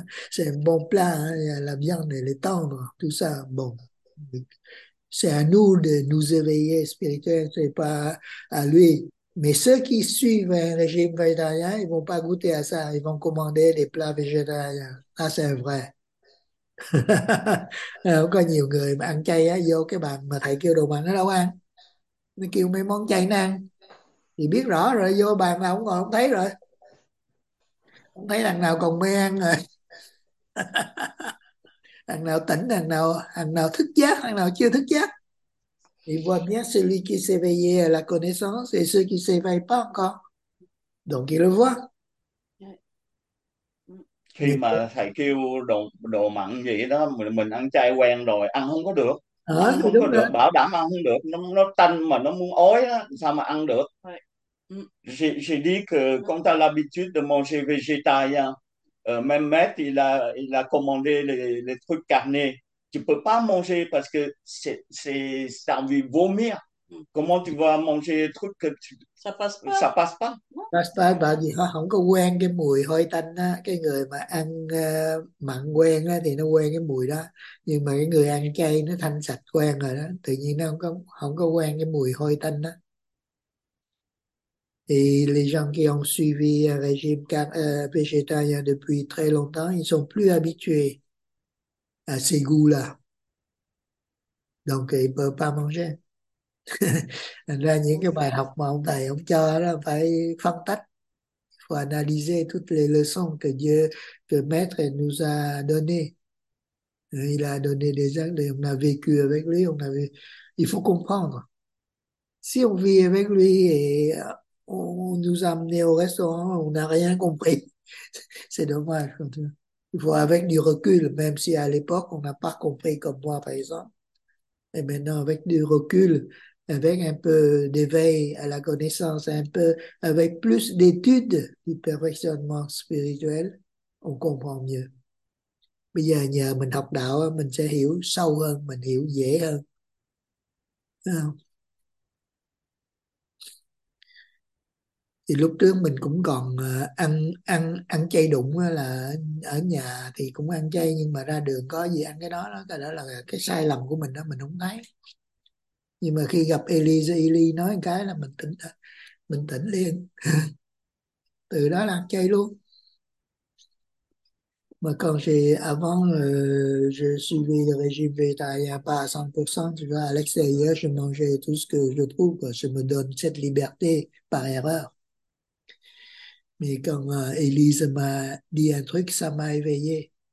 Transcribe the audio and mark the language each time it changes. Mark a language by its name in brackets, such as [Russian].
[French] C'est un bon plat, hein. Il y a la viande, elle est tendre, tout ça. Bon, c'est à nous de nous éveiller spirituellement, c'est pas à lui. Mais ceux qui suivent un régime végétarien, ils vont pas goûter à ça, ils vont commander des plats végétariens. Ah, c'est vrai. [Vietnamese] Alors, có nhiều người mà ăn chay á, vô cái bàn mà thầy kêu đồ mà nó đâu ăn, nó kêu mấy món chay nó ăn thì biết rõ rồi, vô bàn nào cũng ngồi không thấy rồi, không thấy thằng nào còn mê ăn rồi. Thằng nào tỉnh, thằng nào thức giác, thằng nào chưa thức giác. [French] Il voit bien celui qui s'est éveillé à la connaissance et ceux qui s'éveillent pas encore. Donc il le voit. [Vietnamese] Khi mà thầy kêu đồ đồ mặn vậy đó, mình ăn chay quen rồi ăn không có được, À, thì ăn không có đúng được, rồi. bảo đảm ăn không được, nó tanh mà nó muốn ói á, sao mà ăn được. [French] J'ai dit que quand tu as l'habitude de manger végétarien, même maître il a commandé les trucs carnés, tu peux pas manger parce que c'est t'as envie de vomir. Comment tu vas manger les trucs que Ça passe pas. ça passe pas? [Vietnamese] Pasta bà gì họ không có quen cái mùi hôi tanh á, cái người mà ăn mặn quen á thì nó quen cái mùi đó, nhưng mà cái người ăn chay nó thanh sạch quen rồi đó, tự nhiên nó không có quen cái mùi hôi tanh đó. [French] Et les gens qui ont suivi un régime végétarien depuis très longtemps, ils sont plus habitués à ces goûts-là, donc ils peuvent pas manger. [Vietnamese] Thành ra những cái bài học mà ông thầy ông cho đó phải phân tích, phải [French] analyser toutes les leçons que Dieu, que Maître nous a données. Il a donné des actes et on a vécu avec lui. Il faut comprendre. Si on vit avec lui et on nous a amenés au restaurant, on n'a rien compris. C'est dommage. Il faut avec du recul, même si à l'époque on n'a pas compris comme moi, par exemple. Et maintenant, avec du recul, avec un peu d'éveil à la connaissance, un peu avec plus d'études du perfectionnement spirituel, on comprend mieux. [Vietnamese] Bây giờ nhờ mình học đạo, mình sẽ hiểu sâu hơn, mình hiểu dễ hơn. Không? Thì lúc trước mình cũng còn ăn ăn ăn chay đụng, là ở nhà thì cũng ăn chay nhưng mà ra đường có gì ăn cái đó là cái sai lầm của mình đó, mình không thấy. Nhưng mà khi gặp Eli nói cái là mình tỉnh liền. Từ đó là ăn chay luôn. Mà còn thì [French] avant je suis végétarien pas 100%, tu vois, à l'extérieur, je mangeais tout ce que je trouve, quoi. Je me donne cette liberté par erreur. Mais quand Élise m'a dit un truc, ça m'a éveillé.